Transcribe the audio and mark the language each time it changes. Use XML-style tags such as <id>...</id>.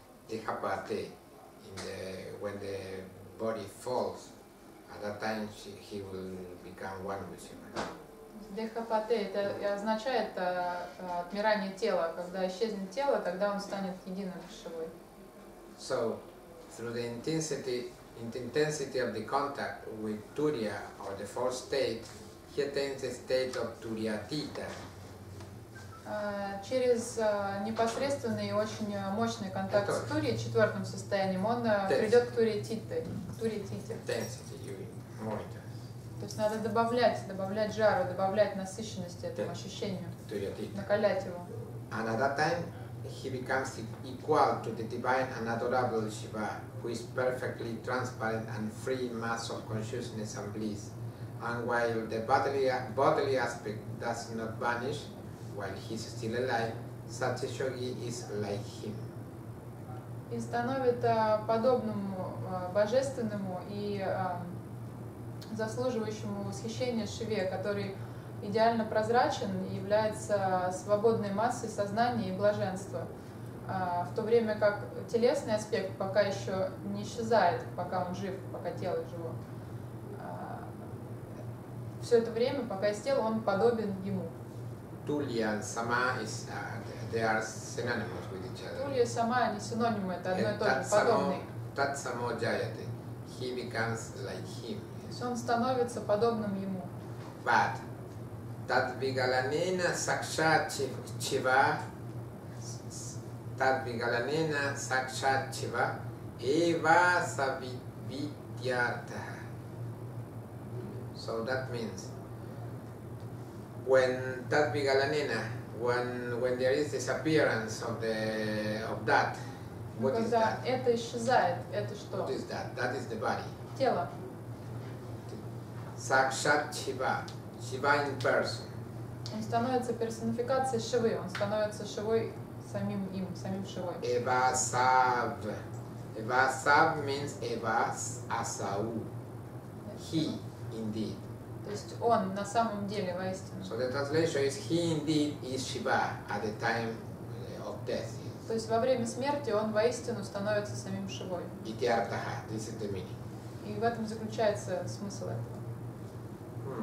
<en>Дехапате, when the body falls, at that time he will become one with Shiva.</en> <ru>Дехапате это означает отмирание тела. Когда исчезнет тело, тогда он станет единым с Шивой.</ru> <en>So, through the intensity of the contact with Turiya or the fourth state, he attains the state of Turiyatita.</en> <ru>Через непосредственный и очень мощный контакт с Турией, четвертым состоянием, он придет к Турии-Титте. То есть надо добавлять жару, добавлять насыщенность этому ощущению, накалять его.</ru> <en>And at that time, he becomes equal to the divine and adorable Shiva, who is perfectly transparent and free mass of consciousness and bliss. And while the bodily aspect does not vanish, while he is still alive, such a yogi is like him.</en> <ru>И становит подобным божественному и заслуживающему восхищения Шиве, который идеально прозрачен и является свободной массой сознания и блаженства, в то время как телесный аспект пока еще не исчезает, пока он жив, пока тело живо. Все это время, пока есть тело, он подобен ему.</ru> <en>Тулья и сама, they are synonymous with each other.</en> <ru>Тулья и сама, они синонимы, это одно и то же, подобный.</ru> <sa>Тат само джаяте.</sa> <en>He becomes like him.</en> <ru>То есть он становится подобным ему.</ru> <sa>But тат вигаланена сакша чива, тат вигаланена сакша чива, эва савидьята.</sa> <en>So that means when that vigalanena, when there is disappearance of the of that, what is that?</en> <ru>Это исчезает, это что?</ru> <en>What is that? That is the body.</en> <ru>Тело.</ru> <en>Сакшат Шива. Шива in person.</en> <ru>Он становится персонификацией Шивы. Он становится Шивой самим им, самим Шивой.</ru> <sa>Эва сав. Эва сав means Эва Асау.</sa> <en>He. Indeed.</en> <sa>То есть он на самом деле воистину.</sa> <en>So the translation is he indeed is Shiva at the time of death.</en> <ru>То есть во время смерти он воистину становится самим Шивой.</ru> <sa>Iti artaha.</sa> <en>This is the meaning.</en> <ru>И в этом заключается смысл этого.</ru>